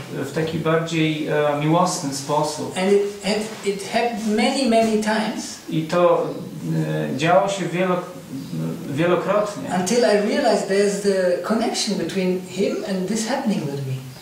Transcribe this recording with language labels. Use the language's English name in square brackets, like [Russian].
[Polish] W taki bardziej miłosny sposób. [English] And it happened many, many times. [Polish] I to działo się wielokrotnie. [English] Until I realized there's the connection between him and this happening with me.